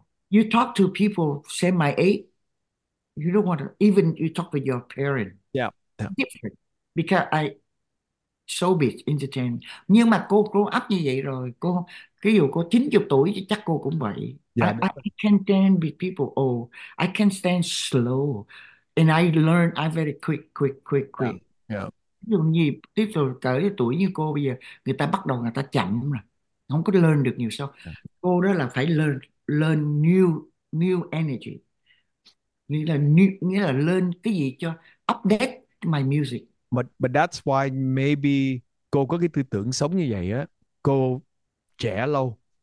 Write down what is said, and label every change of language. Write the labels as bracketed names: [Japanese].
[English] You talk to people say my age, you don't want to, even you talk with your parent. Different. Because I so big entertain. [Vietnamese] Nhưng mà cô grow up như vậy rồi, cô ví dụ cô 90 tuổi chắc cô cũng vậy. Dạ đúng rồi. [English] I can't stand with people old. I can't stand slow. And I learn I'm very quick, quick, quick, quick. [Vietnamese] Dù nhịp tiếp tục cỡ tuổi như cô bây giờ, người ta bắt đầu người ta chậm rồi, không có lên được nhiều sau. Cô đó là phải lên lên new new energy, nghĩa là lên cái gì cho update my music. But that's why maybe cô có cái tư tưởng sống như vậy á, cô trẻ lâu.